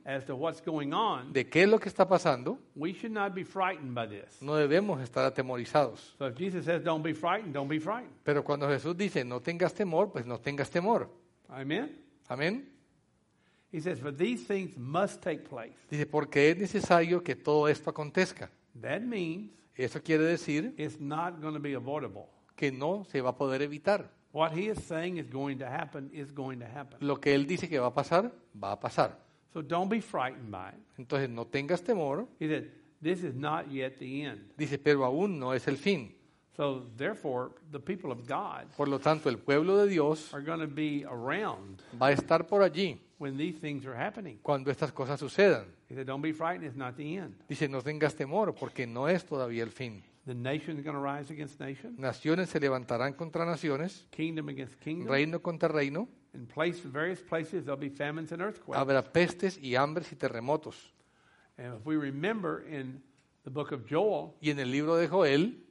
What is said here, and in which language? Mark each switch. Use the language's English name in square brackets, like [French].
[English] as to what's going on, [Spanish] de qué es lo que está pasando, [English] we should not be frightened by this. [Spanish] No debemos estar atemorizados. [English] So if Jesus says, "Don't be frightened," don't be frightened. [Spanish] Pero cuando Jesús dice, "No tengas temor," pues no tengas temor. [English] Amen. [Spanish] Amen. [English] He says, "For these things must take place." [Spanish] Dice porque es necesario que todo esto acontezca. [English] That means. [Spanish] Eso quiere decir [English] it's not going to be avoidable. [Spanish] Que no se va a poder evitar. [English] What he is saying is going to happen is going to happen. [Spanish] Lo que él dice que va a pasar, va a pasar. [English] So don't be frightened by it. [Spanish] Entonces no tengas temor. [English] He said, this is not yet the end. [Spanish] Dice, pero aún no es el fin. [English] So therefore, the people of God, [Spanish] por lo tanto, el pueblo de Dios, [English] are going to be around, [Spanish] va a estar por allí, [English] when these things are happening. [Spanish] Cuando estas cosas sucedan. [English] He said, "Don't be frightened; it's not the end." [Spanish] Dice, no tengas temor, porque no es todavía el fin. [English] The nation is going to rise against nation. [Spanish] Naciones se levantarán contra naciones. [English] Kingdom against kingdom. [Spanish] Reino contra reino. [English] In place, various places, there'll be famines and earthquakes. [Spanish] Habrá pestes y hambres y terremotos. [English] And if we remember in the book of Joel. [Spanish] Y en el libro de Joel.